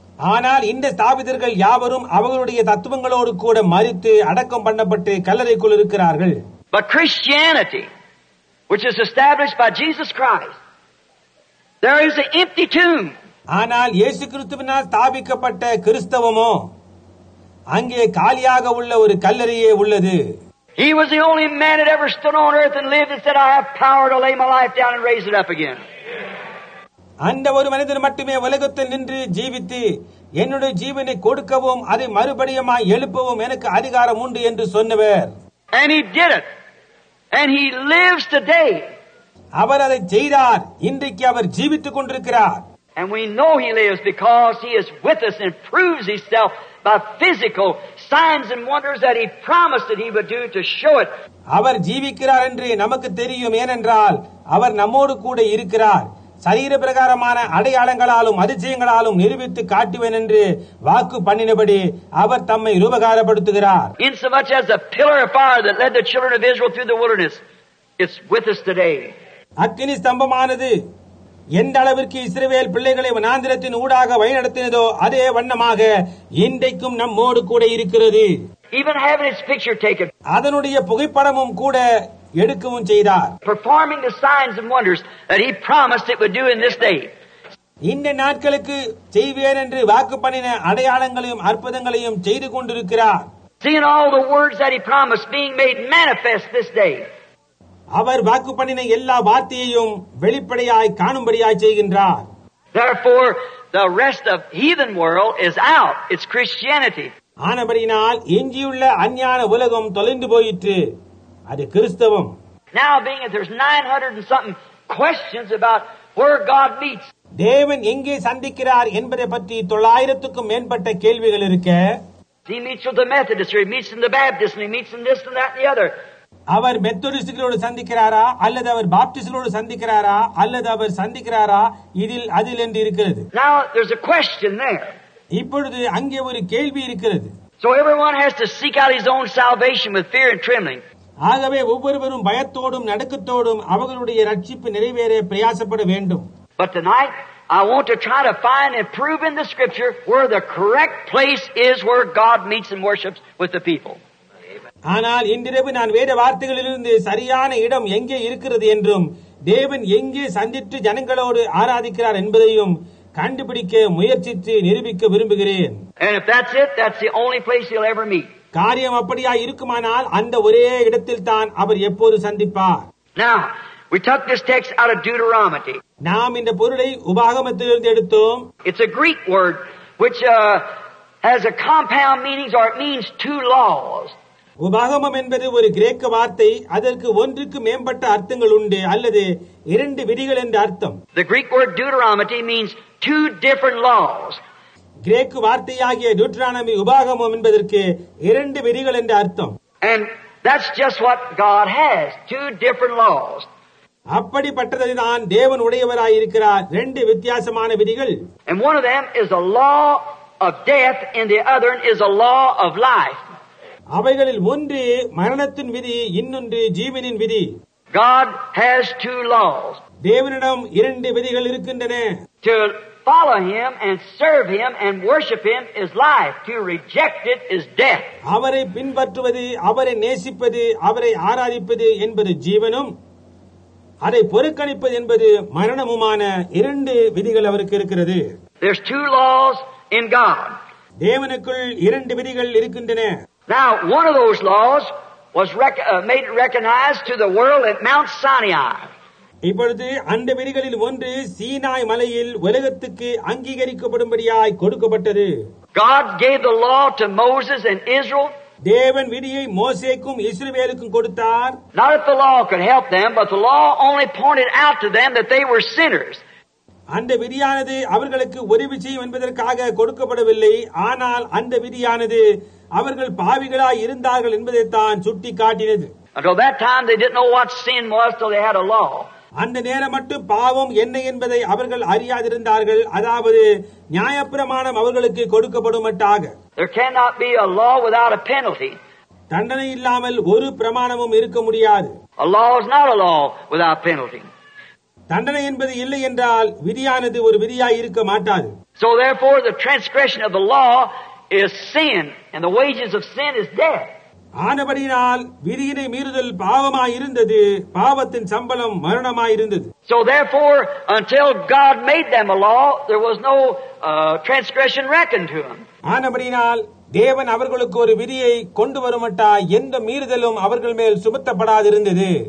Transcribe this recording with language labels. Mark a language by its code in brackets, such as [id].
[ta] ஆனால் இந்த ஸ்தாபிதர்கள் யாவரும் அவர்களுடைய தத்துவங்களோடு கூட மரித்து அடக்கம் பண்ணப்பட்டு கல்லறைக்குள் இருக்கிறார்கள். [en] But Christianity, which is established by Jesus Christ, there is an empty tomb. [ta] ஆனால் இயேசு கிறிஸ்துவினால் ஸ்தாபிக்கப்பட்ட கிறிஸ்தவமோ அங்கே காலியாக உள்ள ஒரு கல்லறையே உள்ளது. [en] He was the only man that ever stood on earth and lived and said, I have power to lay my life down and raise it up again. [ta] அந்த ஒரு மனிதர் மட்டுமே உலகத்தில் நின்று ஜீவித்து என்னுடைய ஜீவனை கொடுக்கவும் அதை மறுபடியும் எழுப்பவும் எனக்கு அதிகாரம் உண்டு என்று சொன்னவர். [en] And he did it. And he lives today. [ta] அவர் அதை செய்தார். இன்றைக்கு அவர் ஜீவித்துக் கொண்டிருக்கிறார். [en] And we know he lives because he is with us and proves himself by physical signs and wonders that he promised that he would do to show it. [ta] அவர் ஜீவிக்கிறார் என்று நமக்கு தெரியும். ஏனென்றால் அவர் நம்மோடு கூட இருக்கிறார். சரீர பிரகாரமான அடையாளங்களாலும் அதிசயங்களாலும் நிரூபித்து காட்டுவேன் என்று வாக்கு பண்ணினபடி அவர் தம்மை ரூபகாரப்படுத்துகிறார். [en] Insomuch as the pillar of fire that led the children of Israel through the wilderness is with us today. [ta] அக்கினி ஸ்தம்பமானது எந்த அளவிற்கு இஸ்ரவேல் பிள்ளைகளை வனாந்திரத்தின் ஊடாக வழிநடத்தினதோ அதே வண்ணமாக இன்றைக்கும் நம்மோடு கூட இருக்கிறது. [en] Even having its picture taken. [ta] அதனுடைய புகைப்படமும் கூட எடுக்கவும் செய்தார். [en] Performing the signs and wonders that he promised it would do in this day. [ta] இந்த நாட்களுக்கு செய்வேன் என்று வாக்கு பண்ணின அடையாளங்களையும் அற்புதங்களையும் செய்து கொண்டிருக்கிறார். [en] Seeing all the words that he promised being made manifest this day. [ta] அவர் வாக்கு பண்ணின எல்லா வார்த்தையையும் வெளிப்படையாய் காணும்படியாய் செய்கின்றார். [en] Therefore the rest of heathen world is out. It's Christianity. [ta] ஆனபடியினால் எஞ்சியுள்ள அஞ்ஞான உலகம் தொலைந்து போயிற்று. அது கிறிஸ்தவம். [en] Now being that there's 900 and something questions about where God meets. [ta] தேவன் எங்கே சந்திக்கிறார் என்பதை பற்றி 900க்கும் மேற்பட்ட கேள்விகள் இருக்க. [en] He meets with the Methodist, or he meets in the Baptist, and he meets in this and that and the other. [ta] அவர் மெத்தடிஸ்டுகளோடு சந்திக்கிறாரா அல்லது அவர் பாப்டிஸ்டுகளோடு சந்திக்கிறாரா அல்லது அவர் சந்திக்கிறாரா இதில் அதில் என்று இருக்கிறது. [en] Now there's a question there. [ta] இப்பொழுது அங்கே ஒரு கேள்வி இருக்கிறது. [en] So everyone has to seek out his own salvation with fear and trembling. [ta] ஆகவே ஒவ்வொருவரும் பயத்தோடும் நடுக்கத்தோடும் அவர்களுடைய ரட்சிப்பு நிறைவேற பிரயாசப்பட வேண்டும். [en] But tonight I want to try to find and prove in the scripture where the correct place is where God meets and worships with the people. [ta] ஆனால் இன்றிரவு நான் வேத வார்த்தைகளிலிருந்து சரியான இடம் எங்கே இருக்கிறது என்றும் தேவன் எங்கே சந்தித்து ஜனங்களோடு ஆராதிக்கிறார் என்பதையும் கண்டுபிடிக்க முயற்சித்து நிரூபிக்க விரும்புகிறேன். காரியம் அப்படியா இருக்குமானால் அந்த ஒரே இடத்தில் தான் அவர் எப்போது சந்திப்பார். [en] Now, we took this text out of Deuteronomy. [ta] நாம் இந்த பொருளை உபாகமத்திலிருந்து எடுத்தோம். [en] It's a Greek word which has a compound meaning, or it means two laws. [ta] உபாகமம் என்பது ஒரு கிரேக்க வார்த்தை. அதற்கு ஒன்றுக்கு மேம்பட்ட அர்த்தங்கள் உண்டு, அல்லது இரண்டு விதிகள் என்ற அர்த்தம். [en] The Greek word Deuteronomy means two different laws. [ta] Craig வார்த்தையாகிய டூட்ரானமி உபாகமம் என்பதற்கு இரண்டு விதிகள் என்ற அர்த்தம். [en] And that's just what God has, two different laws. [ta] அப்படிப்பட்டதுதான் தேவன் உடையவராய் இருக்கிறார், இரண்டு வித்தியாசமான விதிகள். [en] And one of them is a law of death and the other is a law of life. [ta] அவைகளில் ஒன்று மரணத்தின் விதி, இன்னொன்று ஜீவனின் விதி. [en] God has two laws. [ta] தேவனிடம் இரண்டு விதிகள் இருக்கின்றன. [en] To follow him and serve him and worship him is life. To reject it is death. [ta] அவரை பின்பற்றுவது, அவரை நேசிப்பது, அவரை ஆராதிப்பது என்பது ஜீவனும், அதை புறக்கணிப்பது என்பது மரணமுமான இரண்டு விதிகள் அவருக்கு இருக்கிறது. [en] There's two laws in God. [ta] தேவனுக்குள் இரண்டு விதிகள் இருக்கின்றன. [en] Now, one of those laws was made recognized to the world at Mount Sinai. [ta] இப்பொழுது அந்த விதிகளில் ஒன்று சீனாய் மலையில் உலகத்துக்கு அங்கீகரிக்கப்படும்படியாய் கொடுக்கப்பட்டது. [en] God gave the law to Moses and Israel. [ta] தேவன் விதியை மோசேக்கும் இஸ்ரவேலுக்கும் கொடுத்தார். [en] Not that the law could help them, but the law only pointed out to them that they were sinners. [ta] அந்த விதியானது அவர்களுக்கு ஒரு விஷயம் என்பதற்காக கொடுக்கப்படவில்லை. ஆனால் அந்த விதியானது அவர்கள் பாவிகளாய் இருந்தார்கள் என்பதை தான் சுட்டி காட்டினது. [en] Until that time they didn't know what sin was till they had a law. [ta] அந்த நேரம் மட்டும் பாவம் என்ன என்பதை அவர்கள் அறியாதிருந்தார்கள். அதாவது நியாயப்பிரமாணம் அவர்களுக்கு கொடுக்கப்படுமட்டாக. [en] There cannot be a law without a penalty. [ta] தண்டனை இல்லாமல் ஒரு பிரமாணமும் இருக்க முடியாது. [en] A law is not a law without penalty. [ta] தண்டனை என்பது இல்லை என்றால் விதியானது ஒரு விதியாய் இருக்க மாட்டாது. [en] So therefore the transgression of the law is sin and the wages of sin is death. [ta] ஆனபடியினால் விதியினை மீறுதல் பாவமாயிருந்தது, பாவத்தின் சம்பளம் மரணமாயிருந்தது. [en] So therefore, until God made them a law, there was no transgression reckoned to them. [ta] ஆனபடியினால் தேவன் அவர்களுக்கு ஒரு விதியை கொண்டு வரமட்டா எந்த மீறுதலும் அவர்கள் மேல் சுமத்தப்படாது இருந்தது.